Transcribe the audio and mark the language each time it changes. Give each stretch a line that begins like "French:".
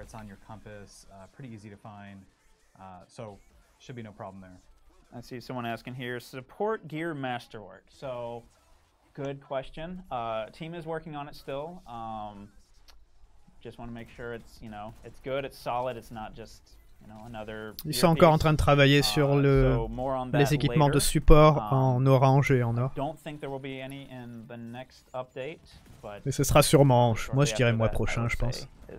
English: It's on your compass. Pretty easy to find. So should be no problem there. I see someone asking here, support gear masterwork. So good question. Team is working on it still. Just want to make sure it's, you know, it's good, it's solid, it's not just, you know, another...
French: Ils sont encore en train de travailler sur les équipements de support en orange et en or.
English: Don't think there will be any in the next update, but...
French: Mais ce sera sûrement, moi je dirais mois prochain, je pense.